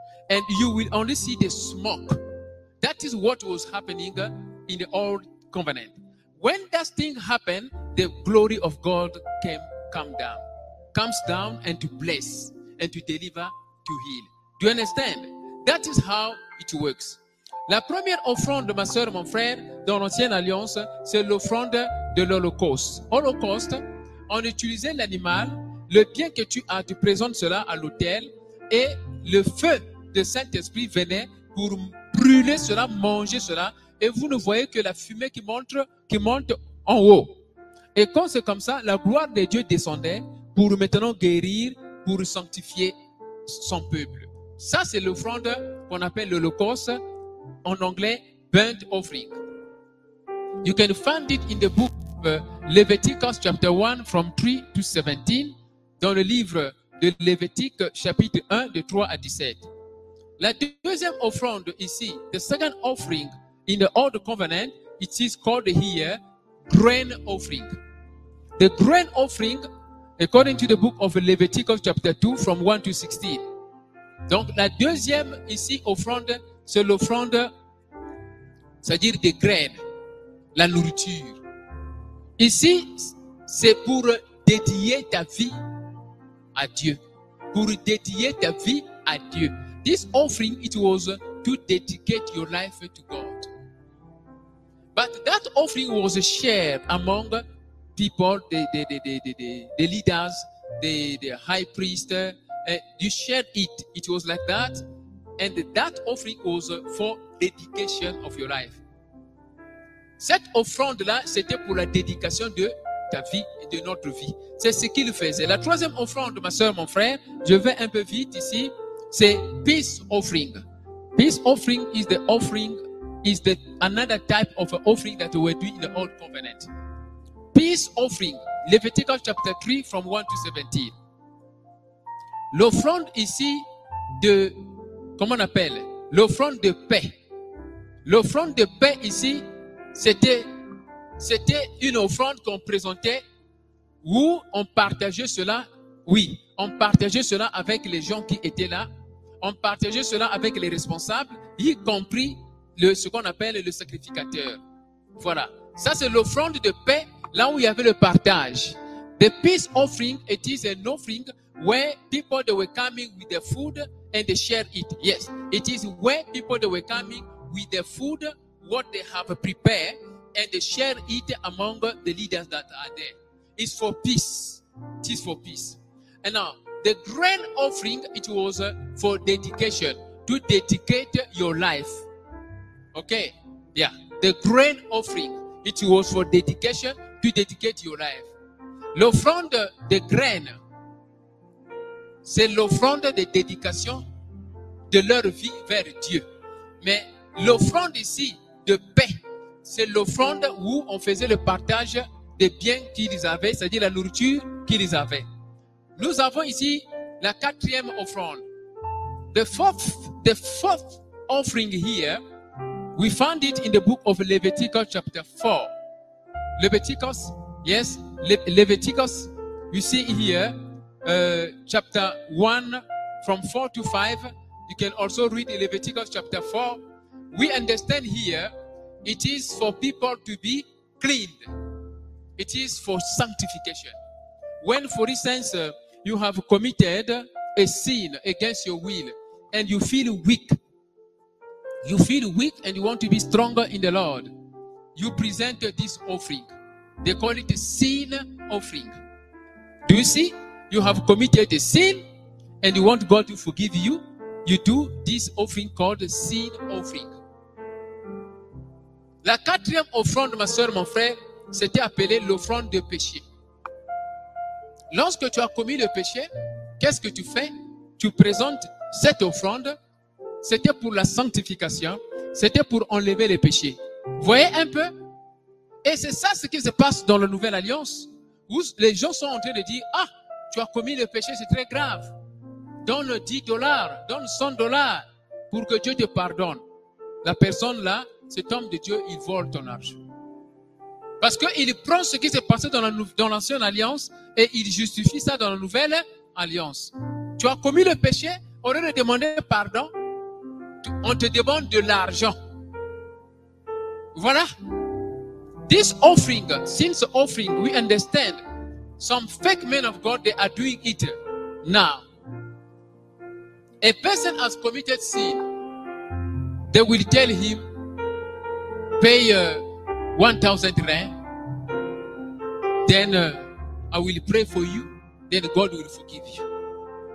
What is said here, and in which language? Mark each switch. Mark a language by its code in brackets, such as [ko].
[en] And you will only see the smoke. That is what was happening in the old covenant. When that thing happened, the glory of God comes down and to bless and to deliver, to heal. Do you understand? That is how it works. [fr] La première offrande, ma soeur, mon frère, dans l'ancienne alliance, c'est l'offrande de l'Holocauste. Holocauste, on utilisait l'animal. Le bien que tu as, tu présentes cela à l'autel et le feu de Saint-Esprit venait pour brûler cela, manger cela et vous ne voyez que la fumée qui monte en haut. Et quand c'est comme ça, la gloire de Dieu descendait pour maintenant guérir, pour sanctifier son peuple. Ça, c'est l'offrande qu'on appelle l'Holocauste, en anglais, burnt offering. [en] You can find it in the book of Leviticus chapter 1 from 3 to 17. [fr] Dans le livre de Lévitique, chapitre 1, de 3 à 17. La deuxième offrande ici, [en] the second offering in the Old Covenant, it is called here, grain offering. The grain offering, according to the book of Leviticus, chapter 2, from 1 to 16. [fr] Donc, la deuxième ici, offrande, c'est l'offrande, c'est-à-dire des graines, la nourriture. Ici, c'est pour dédier ta vie à Dieu, pour dédier ta vie à Dieu. [en] This offering, it was to dedicate your life to God. But that offering was shared among people, the leaders, the high priest, you share it. It was like that. And that offering was for dedication of your life. [fr] Cette offrande-là, c'était pour la dédication de ta vie et de notre vie. C'est ce qu'il faisait. La troisième offrande, ma soeur, mon frère, je vais un peu vite ici, c'est peace offering. [en] Peace offering is the offering, is the another type of offering that we do in the old covenant. Peace offering, Levitical chapter 3 from 1 to 17. [fr] L'offrande ici de, comment on appelle, l'offrande de paix. L'offrande de paix ici, c'était une offrande qu'on présentait où on partageait cela, oui, on partageait cela avec les gens qui étaient là, on partageait cela avec les responsables, y compris le, ce qu'on appelle le sacrificateur. Voilà, ça c'est l'offrande de paix, là où il y avait le partage. [en] The peace offering, it is an offering where people that were coming with the food and they share it. Yes, it is where people that were coming with the food, what they have prepared, and they share it among the leaders that are there. It's for peace. It is for peace. And now, the grain offering, it was for dedication, to dedicate your life. Okay? Yeah. The grain offering, it was for dedication, to dedicate your life. [fr] L'offrande de grain, c'est l'offrande de dédication de leur vie vers Dieu. Mais l'offrande ici de paix, c'est l'offrande où on faisait le partage des biens qu'ils avaient, c'est-à-dire la nourriture qu'ils avaient. Nous avons ici la quatrième offrande. [en] The fourth offering here, we found it in the book of Leviticus chapter 4. Leviticus, yes, Leviticus, you see here, chapter 1 from 4 to 5. You can also read Leviticus chapter 4. We understand here, it is for people to be cleaned. It is for sanctification. When, for instance, you have committed a sin against your will and you feel weak, and you want to be stronger in the Lord, you present this offering. They call it a sin offering. Do you see? You have committed a sin and you want God to forgive you. You do this offering called a sin offering. [fr] La quatrième offrande, ma soeur, mon frère, c'était appelé l'offrande de péché. Lorsque tu as commis le péché, qu'est-ce que tu fais? Tu présentes cette offrande. C'était pour la sanctification. C'était pour enlever les péchés. Voyez un peu? Et c'est ça ce qui se passe dans la Nouvelle Alliance, où les gens sont en train de dire, ah, tu as commis le péché, c'est très grave. Donne 10 dollars, donne 100 dollars pour que Dieu te pardonne. La personne là, cet homme de Dieu, il vole ton argent. Parce qu'il prend ce qui s'est passé dans l'ancienne alliance et il justifie ça dans la nouvelle alliance. Tu as commis le péché, au lieu de demander pardon, on te demande de l'argent. Voilà. [en] This offering, since offering, we understand some fake men of God, they are doing it now. A person has committed sin, they will tell him, pay 1,000 rand, then I will pray for you, then God will forgive you.